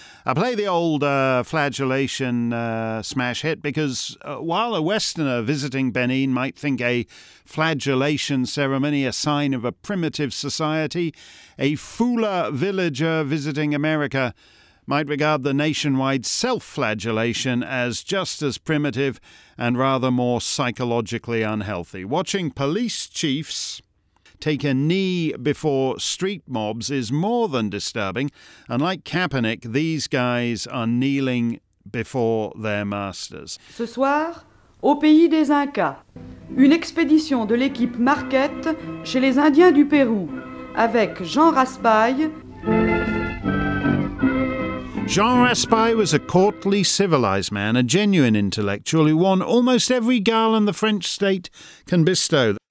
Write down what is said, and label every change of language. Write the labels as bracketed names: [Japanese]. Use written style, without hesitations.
[English] I play the old flagellation smash hit because while a Westerner visiting Benin might think a flagellation ceremony a sign of a primitive society, a Fula villager visiting America might regard the nationwide self-flagellation as just as primitive and rather more psychologically unhealthy. Watching police chiefs take a knee before street mobs is more than disturbing. And like Kaepernick, these guys are kneeling before their masters. [French] Ce soir, au pays des Incas, une expédition de l'équipe Marquette chez les Indiens du Pérou, avec Jean Raspail. [English] Jean Raspail was a courtly, civilized man, a genuine intellectual who won almost every garland the French state can bestow.